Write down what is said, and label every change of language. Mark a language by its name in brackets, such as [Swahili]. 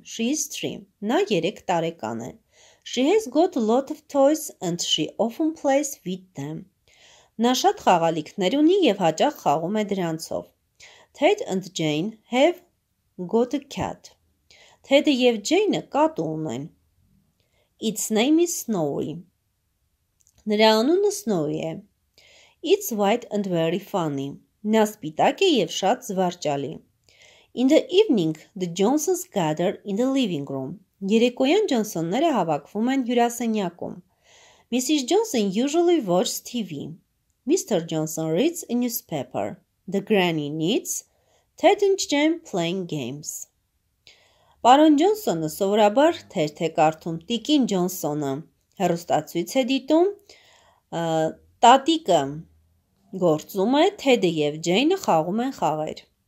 [English] She is three. [Armenian] Նա 3 տարեկան է. [English] She has got a lot of toys and she often plays with them. [Armenian] Նա շատ խաղալիքներ ունի և հաճախ խաղում է դրանցով. [English] Ted and Jane have got a cat. [Armenian] Ted-ը և Jane-ը կատ ունեն. [English] Its name is Snowy. [Armenian] Նրա անունը Snowy է. [English] It's white and very funny. [Armenian] Նա սպիտակ է և շատ զվարճալի. [English] In the evening, the Johnsons gather in the living room. [Armenian] Երեկոյան Johnsonները հավաքվում են հյուրասենյակում. [English] Mrs. Johnson usually watches TV. Mr. Johnson reads a newspaper. The granny knits. Ted and Jane playing games. [Armenian] Պարոն Johnsonը սովորաբար թերթե կարդում, տիկին Johnsonը հեռուստացույց է դիտում, տատիկը գործում է, Ted-ը և Jane-ը խաղում են խաղեր.